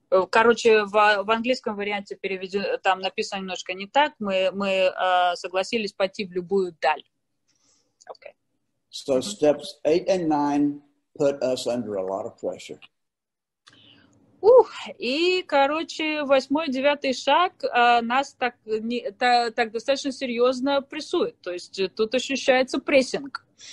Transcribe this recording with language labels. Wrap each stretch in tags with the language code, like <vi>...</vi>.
<ru>Короче, в английском варианте переведено, там написано немножко не так. Мы согласились пойти в любую даль.</ru> <en>Okay. So steps 8 and 9 put us under a lot of pressure.</en> <ru>И, короче, восьмой, девятый шаг нас так, не, так достаточно серьезно прессует. То есть тут ощущается прессинг.</ru>